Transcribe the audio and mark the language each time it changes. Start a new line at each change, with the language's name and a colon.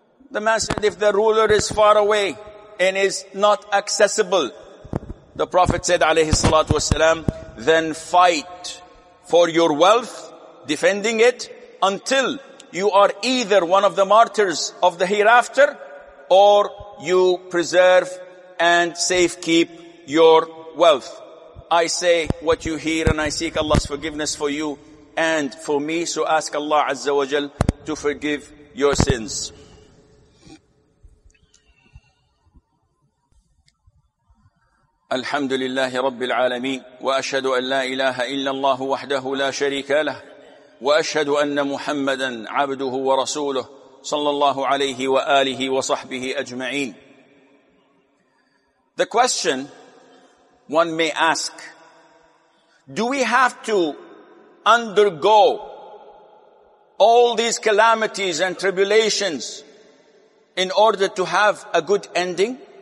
English: The man said, if the ruler is far away and is not accessible, the Prophet said, alayhi salatu wasalam, then fight for your wealth, defending it, until you are either one of the martyrs of the hereafter, or you preserve and safekeep your wealth. I say what you hear, and I seek Allah's forgiveness for you and for me, so ask Allah Azza wa Jal to forgive your sins.
Arabic: الحمد لله رب العالمين وأشهد أن لا إله إلا الله وحده لا شريك له وأشهد أن محمدا عبده ورسوله صلى الله عليه وآله وصحبه أجمعين.
English: The question one may ask, do we have to undergo all these calamities and tribulations in order to have a good ending?